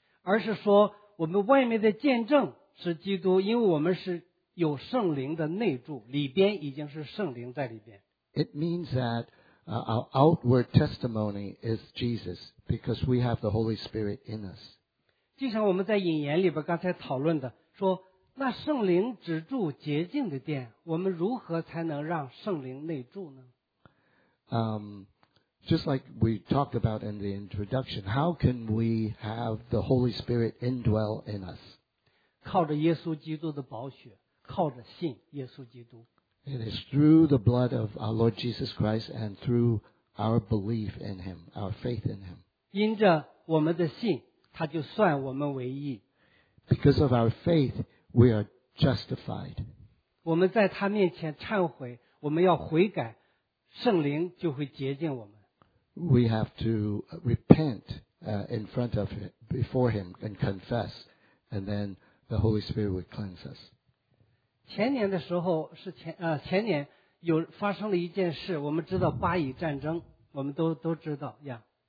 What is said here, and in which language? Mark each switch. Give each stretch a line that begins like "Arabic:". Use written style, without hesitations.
Chinese: 而是说我们外面的见证是基督，因为我们是有圣灵的内住，里边已经是圣灵在里边。
English: It means that our outward testimony is Jesus because we have the Holy Spirit in us.
Chinese: 就像我们在引言里边刚才讨论的，说那圣灵只住洁净的殿，我们如何才能让圣灵内住呢？
English: Just like we talked about in the introduction, how can we have the Holy Spirit indwell in us?
Chinese: 靠着耶稣基督的宝血，靠着信耶稣基督。
English: It is through the blood of our Lord Jesus Christ and through our belief in Him, our faith in Him.
Chinese: 因着我们的信，他就算我们为义。
English: Because of our faith, we are justified.
Chinese: 我们在他面前忏悔，我们要悔改，圣灵就会洁净我们。
English: We have to repent in front of him, before him and confess, and then the Holy Spirit would cleanse us.
Chinese: 前年的时候是前年有发生了一件事，我们知道巴以战争，我们都知道呀。